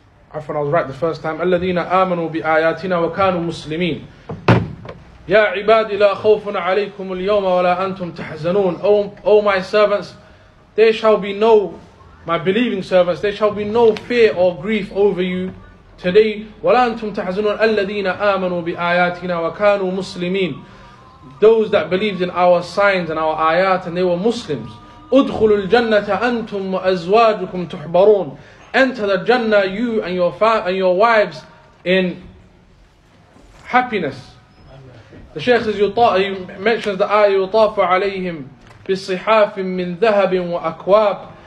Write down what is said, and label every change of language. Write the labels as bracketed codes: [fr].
[en] I thought I was right the first time. [ar] الَّذِينَ آمَنُوا بِآيَاتِنَا وَكَانُوا مُسْلِمِينَ. يا عبادي لا خوف عليكم اليوم ولا أنتم تحزنون. [en] Oh my servants, there shall be no, my believing servants, there shall be no fear or grief over you, [ar] today, وَلَا أَنْتُمْ تَحْزُنُونَ الَّذِينَ آمَنُوا بِآيَاتِنَا وَكَانُوا مُسْلِمِينَ. [en] Those that believed in our signs and our ayat and they were Muslims. [ar] أُدْخُلُوا الْجَنَّةَ أَنْتُمْ وَأَزْوَاجُكُمْ تُحْبَرُونَ. [en] Enter the Jannah, you and your wives in happiness. The Shaykh says, he mentions the ayah, يُطَافُ عَلَيْهِمْ بِصِحَافٍ مِّنْ ذَهَبٍ وَأَكْوَابٍ.